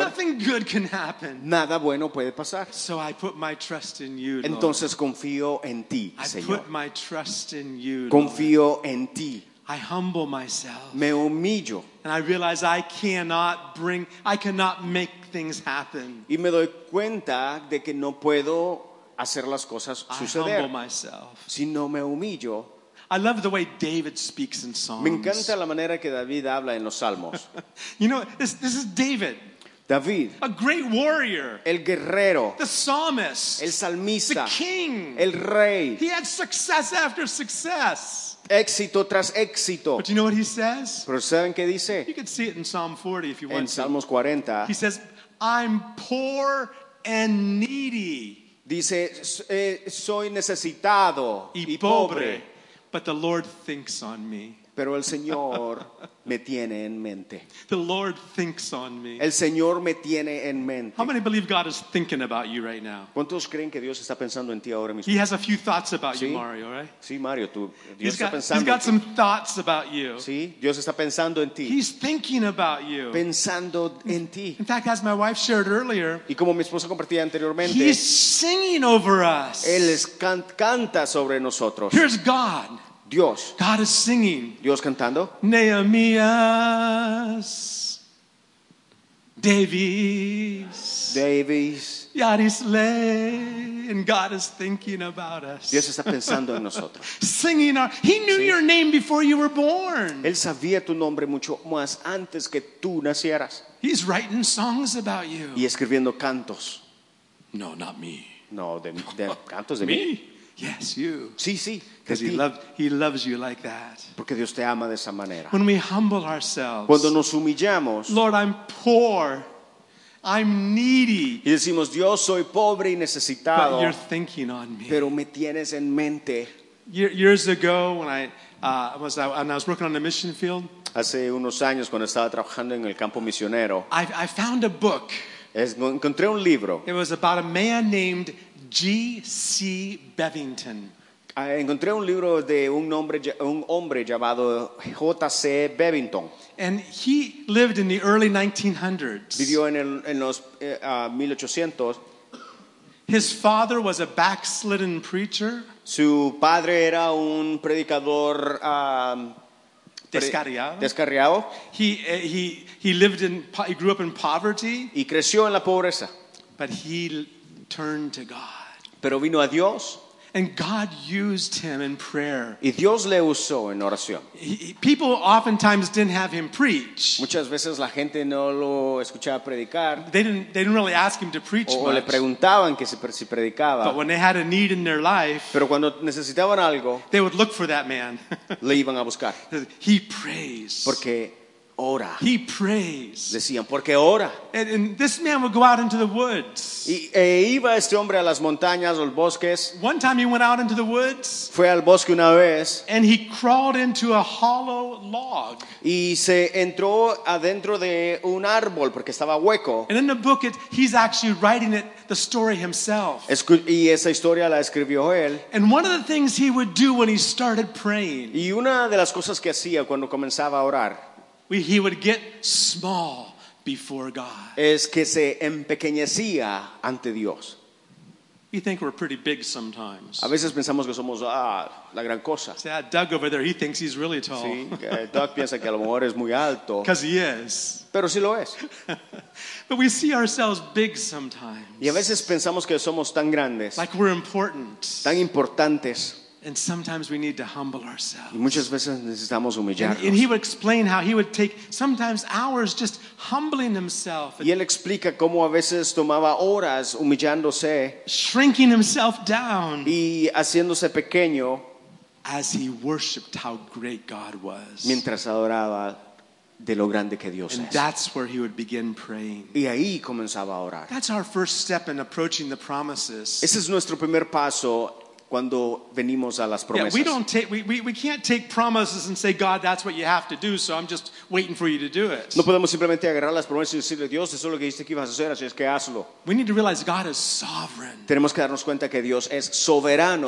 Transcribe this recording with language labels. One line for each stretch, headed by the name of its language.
English: Nothing good can happen.
Spanish: Nada bueno puede pasar.
English: So I put my trust in you, Lord.
Spanish: Entonces confío en ti, Señor.
English: I put my trust in you, Lord.
Spanish: Confío en ti.
English: I humble myself.
Spanish: Me humillo.
English: And I realize I cannot make things happen.
Spanish: Y me doy cuenta de que no puedo hacer las cosas suceder.
English: I humble myself.
Spanish: Si no me humillo.
English: I love the way David speaks in Psalms.
Spanish: Me encanta la manera que David habla en los Salmos.
English: You know, this is David.
Spanish: David.
English: A great warrior.
Spanish: El guerrero.
English: The psalmist.
Spanish: El salmista.
English: The king.
Spanish: El rey.
English: He had success after success.
Spanish: Éxito tras éxito.
English: But you know what he says?
Spanish: Pero ¿saben qué dice?
English: You can see it in Psalm 40 if you want to.
Spanish: En Salmos 40.
English: He says, I'm poor and needy.
Spanish: Dice, soy necesitado y pobre,
English: but the Lord thinks on me.
Spanish: Pero el Señor me tiene en mente.
English: The Lord thinks on me.
Spanish: El Señor me tiene en mente.
English: How many believe God is thinking about you right now?
Spanish: ¿Cuántos creen que Dios está pensando en ti ahora mismo?
English: He has a few thoughts about you, Mario, right?
Spanish: Sí, Mario, tú, Dios está
English: got,
Spanish: pensando
English: he's got some thoughts about you.
Spanish: Sí, Dios está pensando en ti.
English: He's thinking about you.
Spanish: Pensando en ti.
English: In fact, as my wife shared earlier,
Spanish: y como mi esposa compartía anteriormente,
English: he's singing over us.
Spanish: Él canta sobre nosotros.
English: Here's God.
Spanish: Dios.
English: God is singing.
Spanish: Dios cantando. Nehemías. Davies. Davies.
English: Yarisley. And God is thinking about us.
Spanish: Dios está pensando en nosotros.
English: Singing our. He knew your name before you were born.
Spanish: Él sabía tu nombre mucho más antes que tú nacieras.
English: He's writing songs about you.
Spanish: Y escribiendo cantos.
English: No, not me.
Spanish: No, de cantos de
English: me. Yes, you.
Spanish: Sí, sí.
English: Because he loves you like that.
Spanish: Porque Dios te ama de esa manera.
English: When we humble ourselves.
Spanish: Cuando nos humillamos.
English: Lord, I'm poor. I'm needy.
Spanish: Y decimos, Dios, soy pobre y necesitado.
English: But you're thinking on me.
Spanish: Pero me tienes en mente.
English: Years ago, when I was working on the mission field.
Spanish: Hace unos años, cuando estaba trabajando en el campo misionero.
English: I found a book.
Spanish: Encontré un libro.
English: It was about a man named G.C. Bevington.
Spanish: Encontré un libro de un hombre llamado J.C. Bevington.
English: And he lived in the early 1900s.
Spanish: Vivió en los 1800.
English: His father was a backslidden preacher.
Spanish: Su padre era un predicador descarriado.
English: He grew up in poverty.
Spanish: Y creció en la pobreza.
English: But he turned to God.
Spanish: Pero vino a Dios.
English: And God used him in prayer.
Spanish: Y Dios le usó en oración.
English: People oftentimes didn't have him preach.
Spanish: Muchas veces la gente no lo escuchaba predicar.
English: They didn't really ask him to preach
Spanish: o
English: much.
Spanish: O le preguntaban que si predicaba.
English: But when they had a need in their life,
Spanish: pero cuando necesitaban algo,
English: they would look for that man.
Spanish: Le iban a buscar.
English: He prays.
Spanish: Porque ora.
English: He prays.
Spanish: Decían, porque ora.
English: And this man would go out into the woods.
Spanish: E iba este hombre a las montañas o los bosques.
English: One time he went out into the woods.
Spanish: Fue al bosque una vez.
English: And he crawled into a hollow log.
Spanish: Y se entró adentro de un árbol porque estaba hueco.
English: And in the book, he's actually writing it, the story himself.
Spanish: Y esa historia la escribió él.
English: And one of the things he would do when he started praying.
Spanish: Y una de las cosas que hacía cuando comenzaba a orar.
English: He would get small before God.
Spanish: Es que se empequeñecía ante Dios.
English: We think we're pretty big sometimes.
Spanish: A veces pensamos que somos la gran cosa.
English: See that Doug over there, he thinks he's really tall.
Spanish: Sí, Doug piensa que a lo mejor es muy alto.
English: Because he is.
Spanish: Pero sí lo es.
English: But we see ourselves big sometimes.
Spanish: Y a veces pensamos que somos tan grandes.
English: Like we're important.
Spanish: Tan importantes.
English: And sometimes we need to humble ourselves.
Spanish: Y muchas veces necesitamos humillarnos.
English: And he would explain how he would take sometimes hours just humbling himself.
Spanish: Y él explica cómo a veces tomaba horas humillándose.
English: Shrinking himself down.
Spanish: Y haciéndose pequeño.
English: As he worshipped how great God was.
Spanish: Mientras adoraba de lo grande que Dios
English: and
Spanish: es.
English: And that's where he would begin praying.
Spanish: Y ahí comenzaba a orar.
English: That's our first step in approaching the promises.
Spanish: Ese es nuestro primer paso cuando venimos a las promesas.
English: Yeah, we can't take promises and say, God, that's what you have to do, so I'm just waiting for you to do it.
Spanish: No podemos simplemente agarrar las promesas y decirle, Dios, eso es lo que dijiste que ibas a hacer, así es que hazlo.
English: We need to realize God is sovereign.
Spanish: Tenemos que darnos cuenta que Dios es soberano.